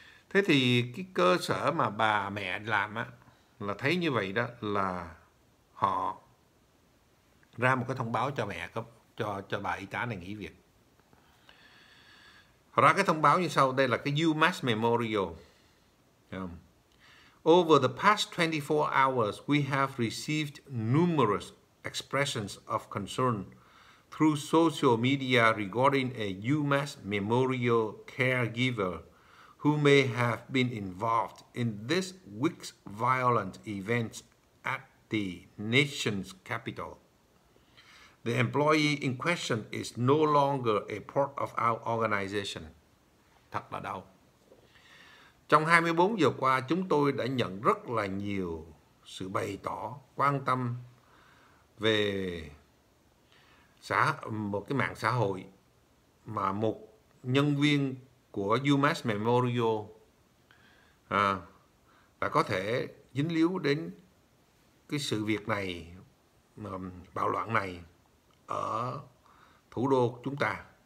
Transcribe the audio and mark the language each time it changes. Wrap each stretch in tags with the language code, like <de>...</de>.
<vi>Thế thì cái cơ sở mà bà mẹ làm á, là thấy như vậy đó, là họ ra một cái thông báo cho mẹ, cho bà y tá này nghỉ việc. Họ ra cái thông báo như sau, đây là cái UMass Memorial.</vi> <en>Over the past 24 hours, we have received numerous expressions of concern through social media regarding a UMass Memorial caregiver who may have been involved in this week's violent events at the nation's capital. The employee in question is no longer a part of our organization.</en> <vi>Thật là đau. Trong 24 giờ qua, chúng tôi đã nhận rất là nhiều sự bày tỏ quan tâm về một cái mạng xã hội mà một nhân viên của UMass Memorial đã có thể dính líu đến cái sự việc này, bạo loạn này ở thủ đô chúng ta.</vi>